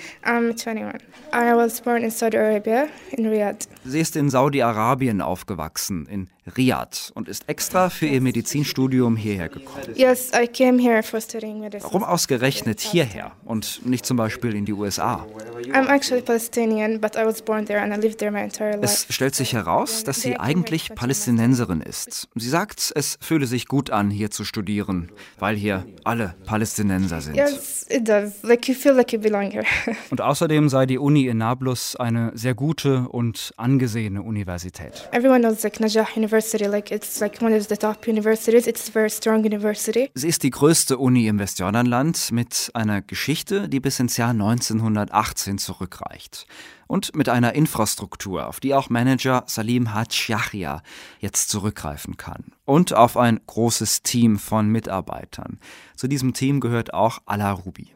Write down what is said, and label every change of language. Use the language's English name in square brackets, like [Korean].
[English] I'm 21. I was born in Saudi Arabia, in Riyadh. [German] Sie ist in Saudi-Arabien aufgewachsen, in Riyadh, und ist extra für ihr Medizinstudium hierher gekommen. [English] Yes, I came here for studying medicine. [German] Warum ausgerechnet hierher und nicht zum Beispiel in die USA? [English] I'm actually Palestinian, but I was born there and I lived there my entire life. [German] Es stellt sich heraus, dass sie eigentlich Palästinenserin ist. Sie sagt, es fühle sich gut an, hier zu studieren, weil hier alle Palästinenser sind. [English] Yes, it does. Like you feel like you belong here. [German] Und außerdem sei die Uni in Nablus eine sehr gute und angesehene Universität. [English] Everyone knows like Najah University, like it's like one of the top universities. It's a very strong university. [German] Sie ist die größte Uni im Westjordanland mit einer Geschichte, die bis ins Jahr 1918 zurückreicht. Und mit einer Infrastruktur, auf die auch Manager Salim Hajj Yahya jetzt zurückgreifen kann. Und auf ein großes Team von Mitarbeitern. Zu diesem Team gehört auch Ala Rubi.